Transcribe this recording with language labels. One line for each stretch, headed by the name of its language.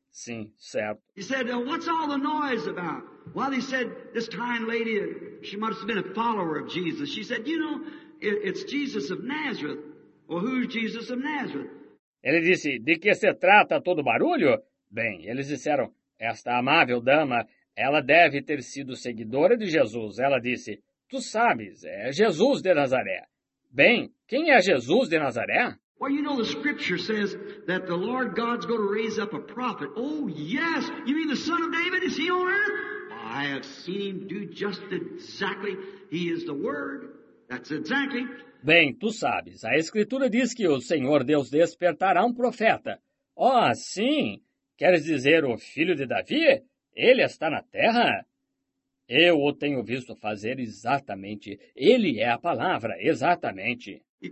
Portuguese: Sim, certo.
English: He said, what's all the noise about? Well, he said, this kind lady, she must have been a follower of Jesus. She said, you know, it's Jesus of Nazareth. Well, who's Jesus of Nazareth?
Portuguese: Ele disse, de que se trata todo barulho? Bem, eles disseram, esta amável dama, ela deve ter sido seguidora de Jesus. Ela disse... Tu sabes, é Jesus de Nazaré. Bem, quem é Jesus de Nazaré?
English: Well, you know, the scripture says that the Lord God's going to raise up a prophet. Oh, yes. You mean the Son of David? Is he on earth? Well, I have seen him do just exactly. He is the Word. That's exactly.
Portuguese: Bem, tu sabes, a escritura diz que o Senhor Deus despertará um profeta. Oh, sim. Queres dizer o filho de Davi? Ele está na terra? Eu o tenho visto fazer exatamente. Ele é a palavra, exatamente.